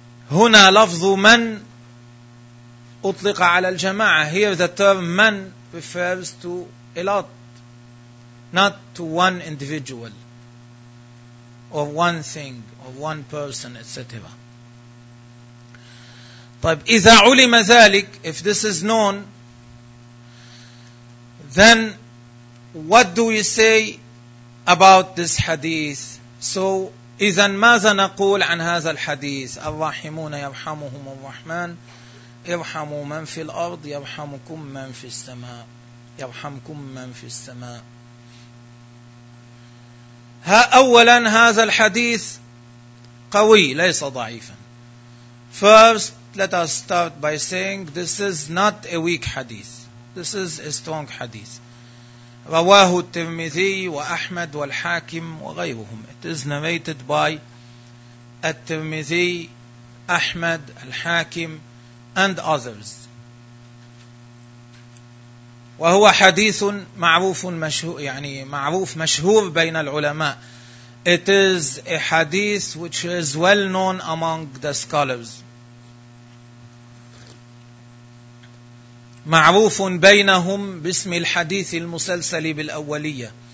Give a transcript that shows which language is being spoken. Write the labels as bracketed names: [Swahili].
[Arabic] هنا لفظ من أطلق على الجماعة. [English] Here the term من refers to a lot, not to one individual or one thing or one person, etc. [Arabic] طيب إذا علم ذلك, [English] if this is known, then what do we say about this hadith? [Arabic] So إذن ماذا نقول عن هذا الحديث؟ الرحمون يرحمهم الرحمن ارحموا من في الأرض يرحمكم من في السماء يرحمكم من في السماء. ها أولا هذا الحديث قوي ليس ضعيفا. [English] First let us start by saying this is not a weak hadith. This is a strong hadith. [Arabic] رواه الترمذي وأحمد والحاكم وغيرهم. [English] It is narrated by الترمذي, أحمد, الحاكم and others. [Arabic] وهو حديث معروف مشهور, يعني معروف مشهور بين العلماء. [English] It is a hadith which is well known among the scholars. [Arabic] معروف بينهم باسم الحديث المسلسل بالأولية.